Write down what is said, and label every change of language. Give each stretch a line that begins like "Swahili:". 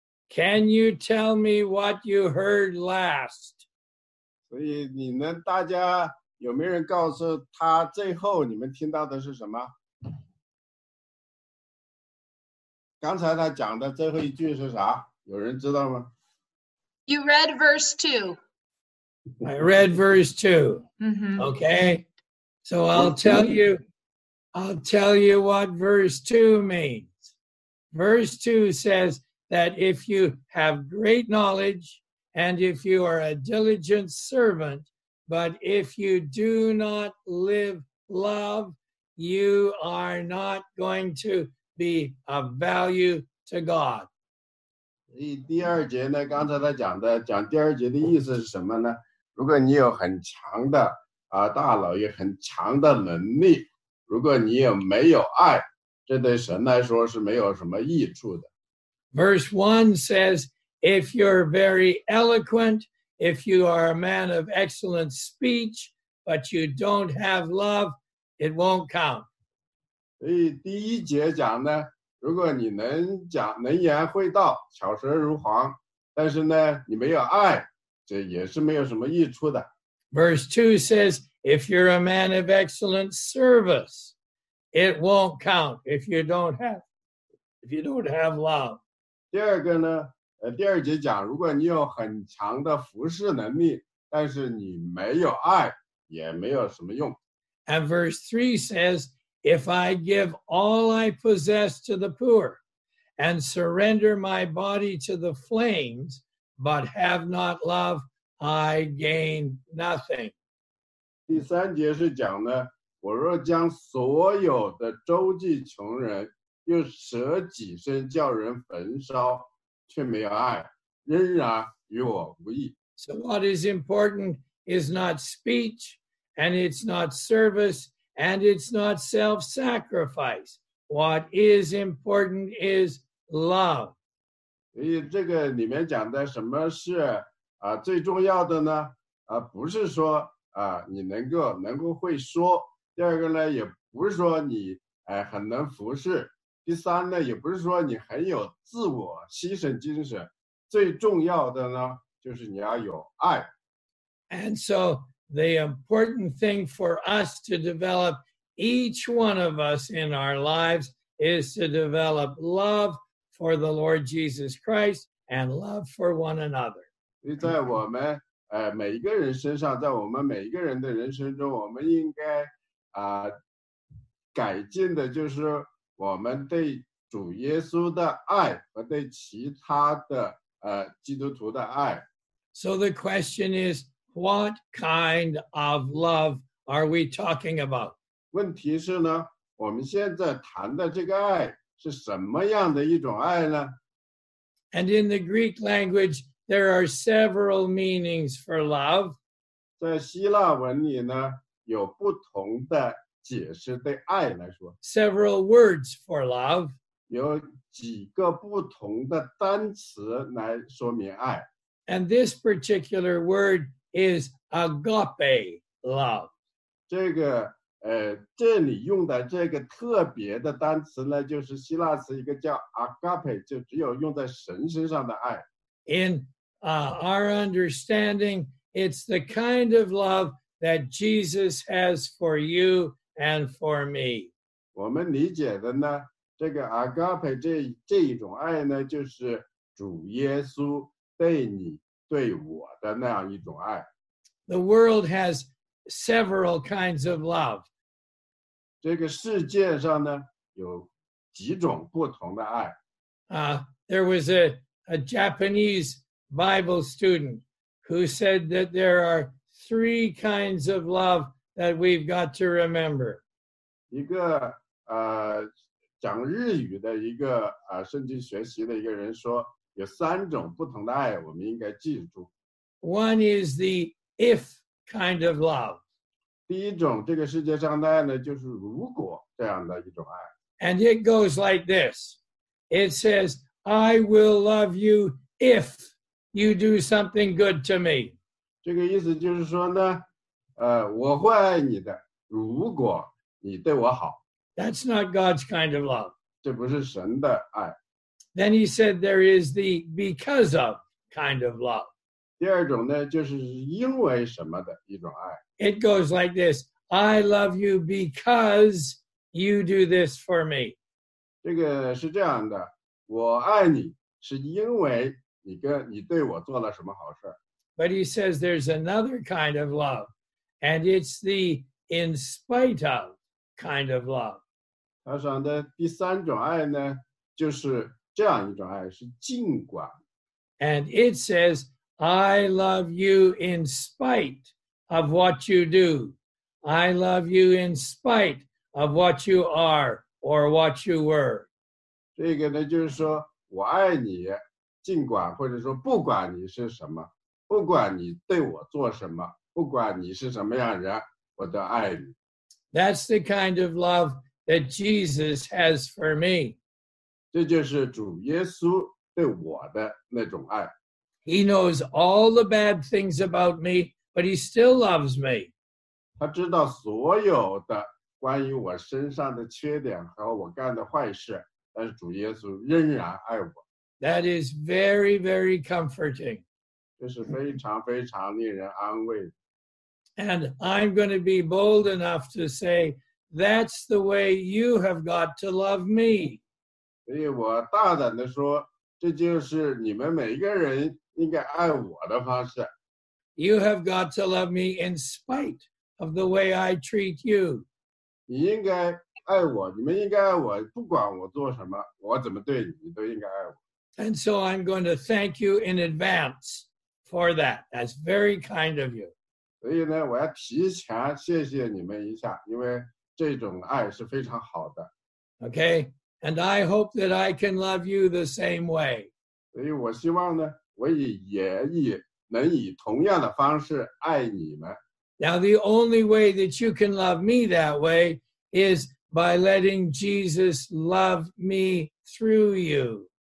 English: Can you tell me what you heard last?
Chinese: 所以你们大家有没有人告诉他最后你们听到的是什么？刚才他讲的最后一句是啥？有人知道吗？
English: You read verse 2. I read verse 2. Mm-hmm. Okay. So I'll tell you what verse 2 means. Verse 2 says that if you have great knowledge and if you are a diligent servant, but if you do not live love, you are not going to be of value to God.
Chinese: 第二节呢，刚才他讲的，讲第二节的意思是什么呢？如果你有很强的啊大脑，有很强的能力，如果你也没有爱，这对神来说是没有什么益处的。
English: Verse 1 says, if you're very eloquent, if you are a man of excellent speech, but you don't have love, it won't count.
Chinese: 所以第一节讲呢，如果你能讲，能言会道，巧舌如簧，但是呢，你没有爱，这也是没有什么益处的。
English: Verse 2 says, if you're a man of excellent service, it won't count if you don't have love.
Chinese: 第二个呢，第二节讲，如果你有很强的服事能力，但是你没有爱，也没有什么用。
English: And verse 3 says, if I give all I possess to the poor and surrender my body to the flames, but have not love, I gain nothing.
Chinese: 第三节是讲呢，我若将所有的周济穷人，又舍己身叫人焚烧，却没有爱，仍然与我无益。
English: So what is important is not speech, and it's not service, and it's not self-sacrifice. What is important is love.
Chinese: 所以这个里面讲的什么是最重要的呢？不是说你能够会说。第二个呢，也不是说你很能服侍。第三呢，也不是说你很有自我牺牲精神。最重要的呢，就是你要有爱。
English: And so the important thing for us to develop, each one of us in our lives, is to develop love for the Lord Jesus Christ and love for one another.
Chinese: 在我们每一个人身上，在我们每一个人的人生中，我们应该改进的就是我们对主耶稣的爱和对其他的基督徒的爱。
English: So the question is, what kind of love are we talking about?
Chinese: 问题是呢，我们现在谈的这个爱是什么样的一种爱呢？
English: And in the Greek language,there are several meanings for love.
Chinese: 在希腊文里呢，有不同的解释对爱来说。
English: Several words for love.
Chinese: 有几个不同的单词来说明爱。
English: And this particular word is agape love.
Chinese: 这个这里用的这个特别的单词呢，就是希腊词一个叫 agape， 就只有用在神身上的爱。
English: Our understanding, it's the kind of love that Jesus has for you and for me.
Chinese: 我们理解的呢，这个 agape 这一种爱呢，就是主耶稣对你对我的那样一种爱。
English: The world has several kinds of love.
Chinese: 这个世界上呢，有几种不同的爱。
English: There was a Japanese Bible student who said that there are three kinds of love that we've got to remember.
Chinese: 一个讲日语的一个圣经学习的一个人说，有三种不同的爱我们应该记住。
English: One is the if kind of love.
Chinese: 第一种这个世界上的爱呢，就是如果这样的一种爱。
English: And it goes like this. It says, I will love you if you do something good to me.
Chinese: 这个意思就是说呢，我会爱你的，如果你对我好。
English: That's not God's kind of love.
Chinese: 这不是神的爱。
English: Then he said there is the because of kind of love.
Chinese: 第二种呢，就是因为什么的一种爱。
English: It goes like this. I love you because you do this for me.
Chinese: 这个是这样的，我爱你是因为你对我做了什么好事。
English: But he says there's another kind of love, and it's the in spite of kind of love.
Chinese: 他说的第三种爱呢，就是这样一种爱，是尽管。
English: And it says, I love you in spite of what you do. I love you in spite of what you are or what you were.
Chinese: 这个呢，就是说我爱你，尽管或者说不管你是什么。不管你对我做什么，不管你是什么样人，我都爱你。
English: That's the kind of love that Jesus has for me.
Chinese: 这就是主耶稣对我的那种爱。
English: He knows all the bad things about me, but he still loves me.
Chinese: 他知道所有的关于我身上的缺点和我干的坏事，但是主耶稣仍然爱我。
English: That is very, very comforting.
Chinese: 这是非常非常令人安慰的。
English: And I'm going to be bold enough to say, that's the way you have got to love me.
Chinese: 所以我大胆地说，这就是你们每个人应该爱我的方式。
English: You have got to love me in spite of the way I treat you.
Chinese: 你应该爱我，你们应该爱我，不管我做什么，我怎么对你，你都应该爱我。
English: And so I'm going to thank you in advance. For that, that's very kind of you.
Chinese: 所以呢，我要提前谢谢你们一下，因为这种爱是非常好的。
English: Okay, and I hope that I can love you the same way.
Chinese: 所以我希望呢，我也能以同样的方式爱你们。
English: Now, the only way that you can love me that way is by letting Jesus love me through you.